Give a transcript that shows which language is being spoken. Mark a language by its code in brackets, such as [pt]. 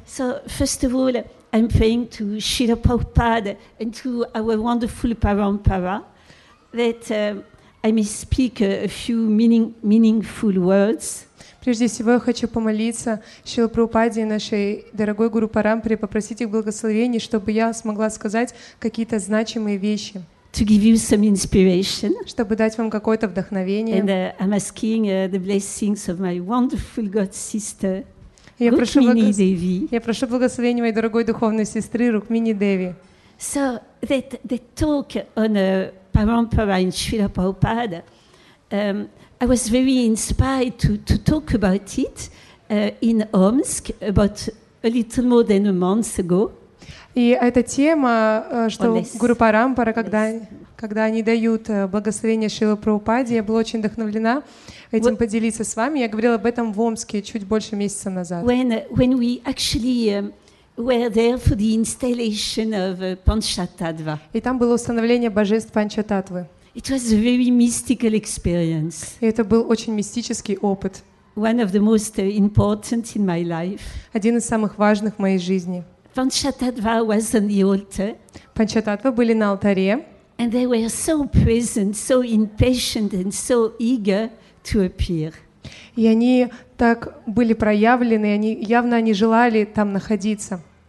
[en] So, first of all, I'm praying to Srila Prabhupada and to our wonderful Parampara that I may speak a few meaningful words. [ru] Прежде всего, я хочу помолиться Шрила Прабхупаде и нашей дорогой Гуру Парампаре, попросить их благословения, чтобы я смогла сказать какие-то значимые вещи. [en] To give you some inspiration. [ru] Чтобы дать вам какое-то вдохновение. [en] And I'm asking the blessings of my wonderful God sister, [ru] Я прошу благословения моей дорогой духовной сестры Рукмини Деви. [en] So that the talk on Parampara in Srila Prabhupada, I was very inspired to talk about it in Omsk about a little more than a month ago. [ru] И эта тема, что Гуру Парампара, когда они дают благословение Шрилы Прабхупаде, я была очень вдохновлена этим поделиться с вами. Я говорила об этом в Омске чуть больше месяца назад. [en] When we actually were there for the installation of Panchatattva. [ru] И там было установление божеств Панчататвы. [en] It was a very mystical experience. [ru] Это был очень мистический опыт. [en] One of the most important in my life. [ru] Один из самых важных в моей жизни. [en] Panchatattva was on the altar. [ru] Панчататва были на алтаре. [en] And they were so present, so impatient and so eager to appear. [ru] И они так были проявлены, они явно не желали там находиться.